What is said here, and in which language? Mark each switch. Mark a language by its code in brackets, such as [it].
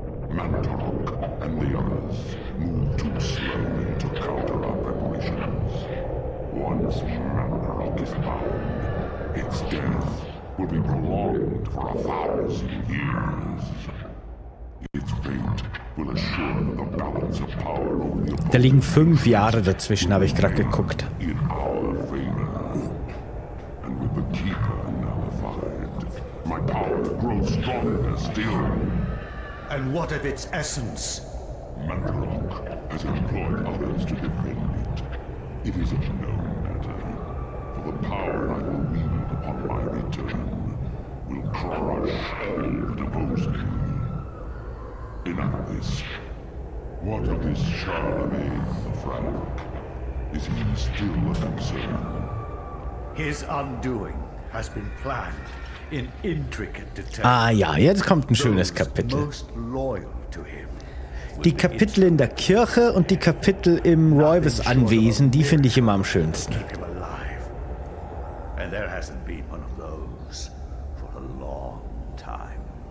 [en] Mantarok and the others move too slowly to counter our preparations. Once Mantarok is bound, its death will be prolonged for a thousand years. Its fate will assure the balance of power over the [de] Da liegen 5 Jahre dazwischen, habe ich gerade geguckt. [en] In our favor. And with the Keeper nullified, my power grows stronger still. And what of its essence? Mantarok has employed others to defend it. It is of no matter, for the power I will need upon my return will crush all that oppose me. Enough of this. What of this Charlemagne the Frank? Is he still a concern? His undoing has been planned in intricate detail. [de] Ah ja, jetzt kommt ein schönes Kapitel. [en] Most loyal to him. [de] Die Kapitel in der Kirche und die Kapitel im Roivus-Anwesen, die finde ich immer am schönsten. [en] And there hasn't been one of those for a long time.